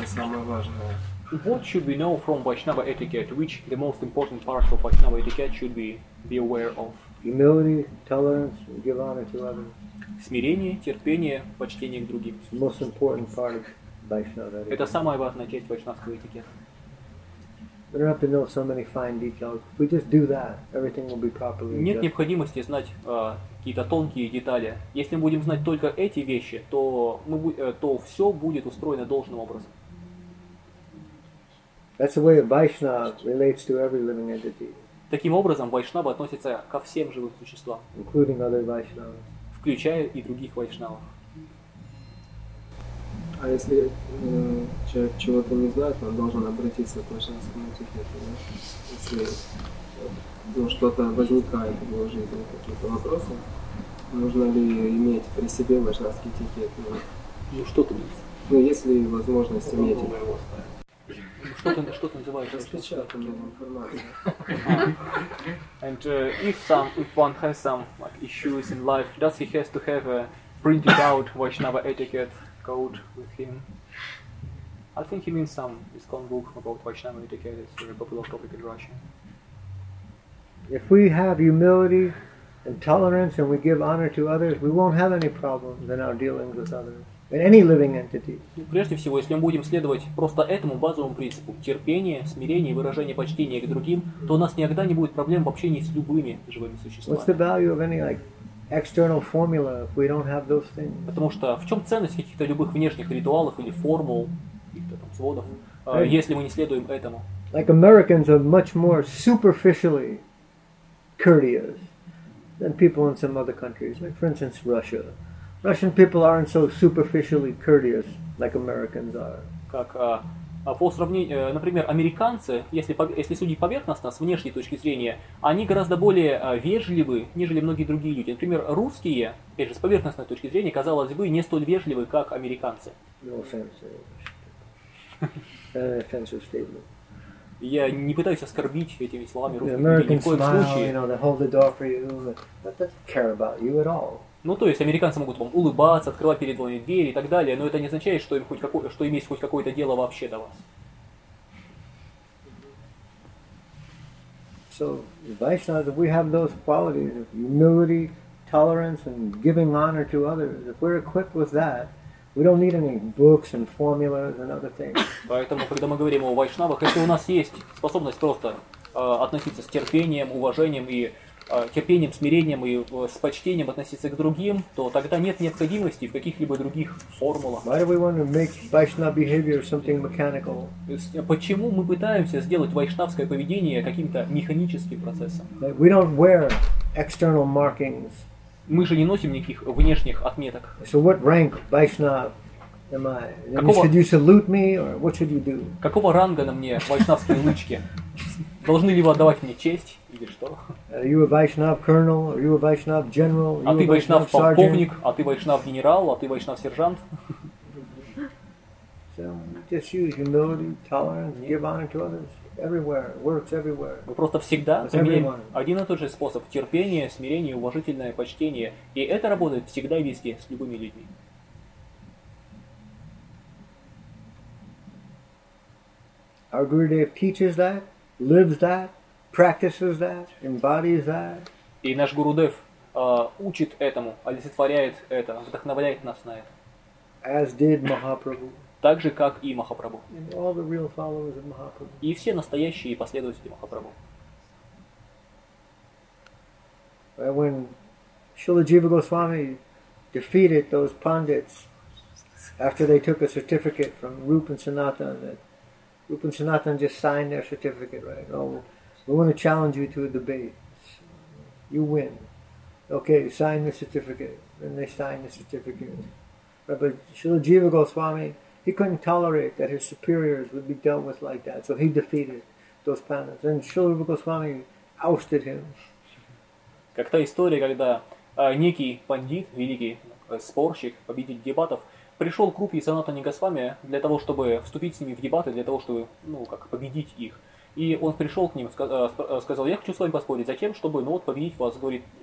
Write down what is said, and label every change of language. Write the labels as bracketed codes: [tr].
[en] What should we know from Vaishnava etiquette? Which the most important parts of Vaishnava etiquette should we be aware of? Humility, tolerance, give honor to others. [ru] Смирение, терпение, почтение к другим. [en] The most important part of Vaishnava etiquette. [ru] Это самая важная часть вайшнавского этикета. [en] We don't have to know so many fine details. We just do that, everything will be properly. [ru] Нет необходимости знать какие-то тонкие детали. Если мы будем знать только эти вещи, то мы то все будет устроено должным образом. [en] That's the way Vaishnava relates to every living entity. [ru] Таким образом, Вайшнава относится ко всем живым существам, [en] including other Vaishnavas. [ru] Включая и других вайшнавов. А если человек чего-то не знает, он должен обратиться к вайшнавскому этикету, да? Если что-то возникает в его жизни, какие-то вопросы, нужно ли иметь при себе вайшнавский этикет? Да? Ну, есть ли возможность иметь его? Что ты называешь? Распечатанную информацию. [en] And if one has some issues in life, does he has to have a printed out Vaishnava etiquette code with him? I think he means some ISKCON book about Vaishnava etiquette. It's a very popular topic in Russia. If we have humility and tolerance and we give honor to others, we won't have any problems in our dealings with others. Any living entity. [ru] Прежде всего, если мы будем следовать просто этому базовому принципу терпения, смирения, выражения почтения к другим, то у нас никогда не будет проблем в общении с любыми живыми существами. [en] What's the value of any external formula if we don't have those things? [ru] Потому что в чем ценность каких-то любых внешних ритуалов или формул, каких-то там сводов, если мы не следуем этому? [en] Like Americans are much more superficially courteous than people in some other countries, like for instance Russia. Russian people aren't so superficially courteous like Americans are. [ru] Как по сравнению, например, американцы, если судить поверхностно с внешней точки зрения, они гораздо более вежливы, нежели многие другие люди. Например, русские, опять же, с поверхностной точки зрения, казалось бы, не столь вежливы, как американцы. [en] No offense. An offensive statement. [ru] Я не пытаюсь оскорбить этими словами русских людей ни в коем случае. [en] You know, they hold the door for you, but they don't care about you at all. [ru] Ну, то есть, американцы могут вам улыбаться, открывать перед вами дверь и так далее, но это не означает, что им хоть какое, что им есть хоть какое-то дело вообще до вас. [en] So, Vaishnavas, if we have those qualities of humility, tolerance, and giving honor to others, if we're equipped with that, we don't need any books and formulas and other things. [ru] Поэтому, когда мы говорим о вайшнавах, если у нас есть способность просто относиться с терпением, уважением и терпением, смирением и с почтением относиться к другим, то тогда нет необходимости в каких-либо других формулах. [en] Why do we want to make Vaishnava behavior something mechanical? [ru] Почему мы пытаемся сделать вайшнавское поведение каким-то механическим процессом? [en] We don't wear external markings. [ru] Мы же не носим никаких внешних отметок. [en] So what rank Vaishnava am I? Should you salute me or what should you do? [ru] Какого ранга на мне вайшнавские нычки? Должны ли вы отдавать мне честь или что? [en] Are you a Vaishnav colonel? Are you a Vaishnav general? [ru] А ты Вайшнав полковник? А ты Вайшнав генерал? А ты Вайшнав сержант? [en] So, just use humility, tolerance, give honor to others. Everywhere, works everywhere. [ru] Мы просто всегда применяем один и тот же способ: терпение, смирение, уважительное почтение. И это работает всегда и везде с любыми людьми. [en] Our Gurudev teaches that. Lives that, practices that, embodies that. [ru] И наш Гурудев учит этому, олицетворяет это, вдохновляет нас на это. [en] As did Mahaprabhu. [ru] Так же, как и Махапрабху. [en] And all the real followers of Mahaprabhu. [ru] И все настоящие последователи Махапрабху. [en] Well, when Śrīla Jīva Gosvāmī defeated those pundits after they took a certificate from Rūpa and Sanatana, that Rūpa and Sanatana just signed their certificate, right? Oh, we want to challenge you to a debate. You win. Okay, sign the certificate. Then they signed the certificate. Right, but Śrīla Jīva Gosvāmī, he couldn't tolerate that his superiors would be dealt with like that, so he defeated those pundits. And Śrīla Jīva Gosvāmī ousted him. [ru] Как та история, когда некий пандит, великий спорщик, победитель дебатов, пришел к Рупе и Санатане Госвами для того, чтобы вступить с ними в дебаты, для того, чтобы, ну, как победить их. И он пришел к ним, сказал: я хочу с вами поспорить, затем, чтобы, ну, вот, победить вас, говорит,